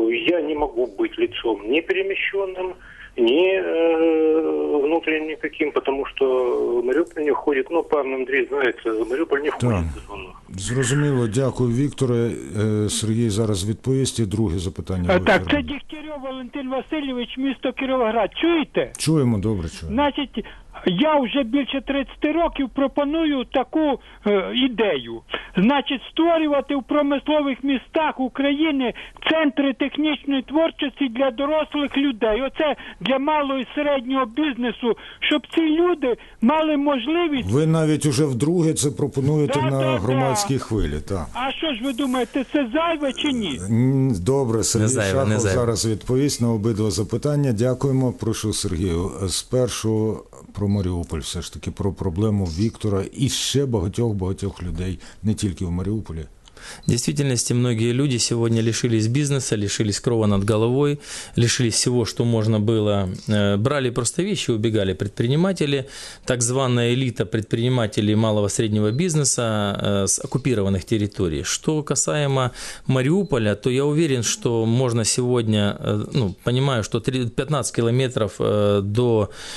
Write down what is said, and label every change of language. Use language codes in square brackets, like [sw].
[ru] Я не могу быть лицом неперемещенным, не внутренним каким, потому что Мариуполь не входит, но пан Андрей знает, Мариуполь не входит. Да. [uk] Зрозуміло, дякую, Вікторе. Сергій зараз відповість і друге запитання. Так, це Дігтярьов Валентин Васильович, місто Кіровоград. Чуєте? Чуємо, добре чуємо. Значить, я вже більше 30 років пропоную таку ідею. Значить, створювати в промислових містах України центри технічної творчості для дорослих людей. Оце для малого і середнього бізнесу, щоб ці люди мали можливість... Ви навіть уже вдруге це пропонуєте громадські хвилі, так. А що ж ви думаєте, це зайве чи ні? Добре, Сергій Шахов зараз відповість на обидва запитання. Дякуємо. Прошу, Сергію, спершу про Маріуполь, все ж таки, про проблему Віктора і ще багатьох-багатьох людей, не тільки в Маріуполі. [ru] В действительности многие люди сегодня лишились бизнеса, лишились крова над головой, лишились всего, что можно было. Брали просто вещи, убегали предприниматели, так званая элита предпринимателей малого-среднего бизнеса с оккупированных территорий. Что касаемо Мариуполя, то я уверен, что можно сегодня, понимаю, что 15 километров до